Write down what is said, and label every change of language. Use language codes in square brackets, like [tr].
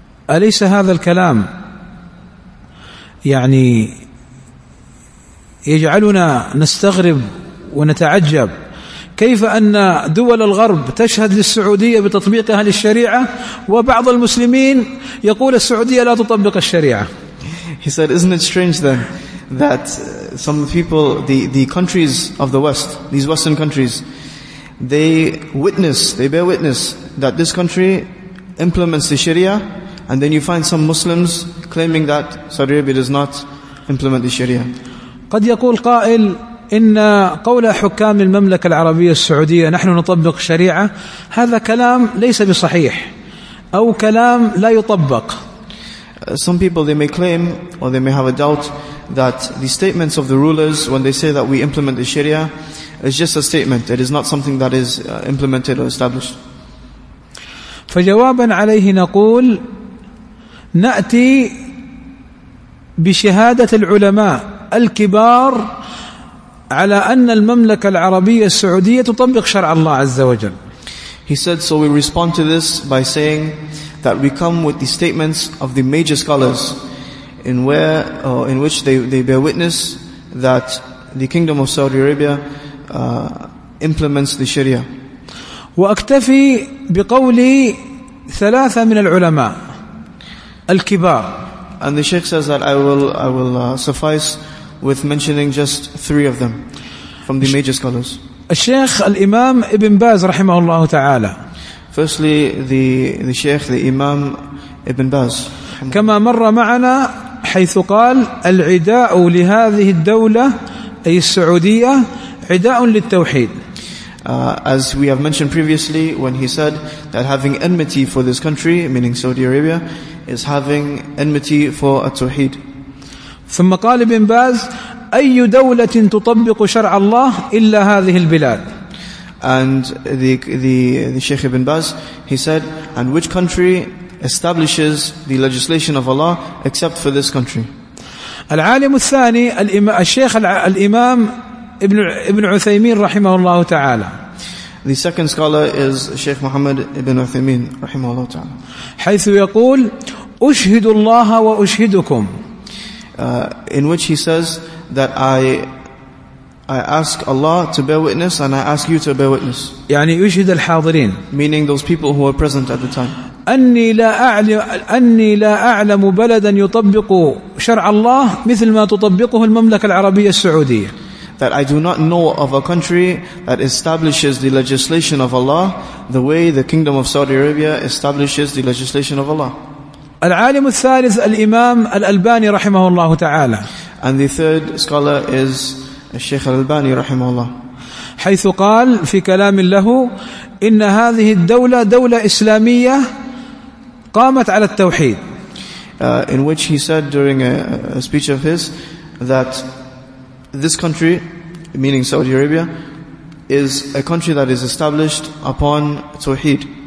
[ar] أليس هذا الكلام يعني يجعلنا نستغرب ونتعجب كيف أن دول الغرب تشهد للسعودية بتطبيقها للشريعة وبعض المسلمين يقول السعودية لا تطبق الشريعة. [en] He said, isn't it strange then that some people, the countries of the West, these Western countries, they bear witness that this country implements the Sharia, and then you find some Muslims claiming that Saudi Arabia does not implement the Sharia. [ar] قد يقول قائل إن قول حكام المملكة العربية السعودية نحن نطبق شريعة هذا كلام ليس بصحيح أو كلام لا يطبق. [en] Some people they may claim or they may have a doubt that the statements of the rulers when they say that we implement the Sharia is just a statement. It is not something that is implemented or established. [ar] فجوابا عليه نقول نأتي بشهادة العلماء الكبار على أن المملكة العربية السعودية تطبق شرع الله عز وجل. [en] He said, so we respond to this by saying that we come with the statements of the major scholars in which they bear witness that the Kingdom of Saudi Arabia implements the Sharia. [ar] وأكتفي بقولي ثلاثة من العلماء الكبار. [en] And the Sheikh says that I will suffice with mentioning just three of them from the major scholars. [ar] الشيخ الإمام ابن باز رحمه الله تعالى. [en] Firstly, the Sheikh, the Imam Ibn Baz. [ar] كما مر معنا حيث قال العداء لهذه الدولة أي السعودية عداء للتوحيد. [en] As we have mentioned previously, when he said that having enmity for this country, meaning Saudi Arabia, is having enmity for التوحيد. [ar] ثم قال ابن باز أي دولة تطبق شرع الله إلا هذه البلاد. [en] And the Sheikh Ibn Baz, he said, and which country establishes the legislation of Allah except for this country? [ar] العالم الثاني الشيخ الإمام ابن عثيمين رحمه الله تعالى. [en] The second scholar is Sheikh Muhammad Ibn Uthaymeen [ar] رحمه الله تعالى. حيث يقول أشهد الله وأشهدكم. [en] In which he says that I ask Allah to bear witness and I ask you to bear witness. [ar] يعني يشهد الحاضرين. [en] Meaning those people who were present at the time. [ar] أني لا أعلم بلدا يطبق شرع الله مثل ما تطبقه المملكة العربية السعودية. [en] That I do not know of a country that establishes the legislation of Allah the way the Kingdom of Saudi Arabia establishes the legislation of Allah. [ar] العالم الثالث الإمام الألباني رحمه الله تعالى. [en] And the third scholar is [ar] الشيخ الألباني رحمه الله. حيث قال في كلام له إن هذه الدولة دولة إسلامية قامت على التوحيد. [en] In which he said during a speech of his that this country, meaning Saudi Arabia, is a country that is established upon Tawheed.